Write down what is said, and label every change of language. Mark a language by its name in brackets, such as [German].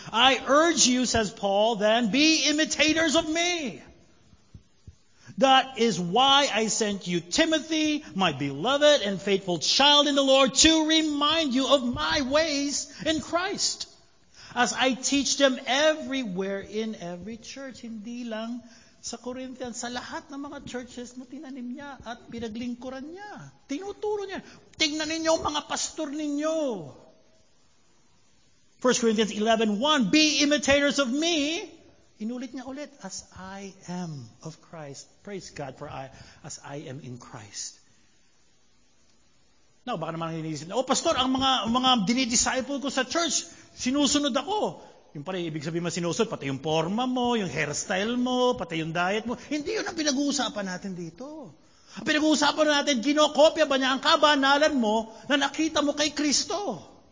[English] I urge you, says Paul, then be imitators of me. That is why I sent you Timothy, my beloved and faithful child in the Lord, to remind you of my ways in Christ, as I teach them everywhere in every church. [Filipino] Hindi lang sa Corinthians, sa lahat ng mga churches na tinanim niya at pinaglingkuran niya. Tinuturo niya. Tingnan ninyo mga pastor ninyo. [English] 1 Corinthians 11:1, be imitators of me. Inulit niya ulit, as I am of Christ. Praise God for as I am in Christ. [Filipino] Now, baka naman iniisip na, oh, pastor, ang mga dinidisciple ko sa church, sinusunod ako. Yung pala, ibig sabihin mo sinusunod, pati yung forma mo, yung hairstyle mo, pati yung diet mo. Hindi yun ang pinag-uusapan natin dito. Ang pinag-uusapan natin, ginokopya ba niya ang kabanalan mo na nakita mo kay Kristo?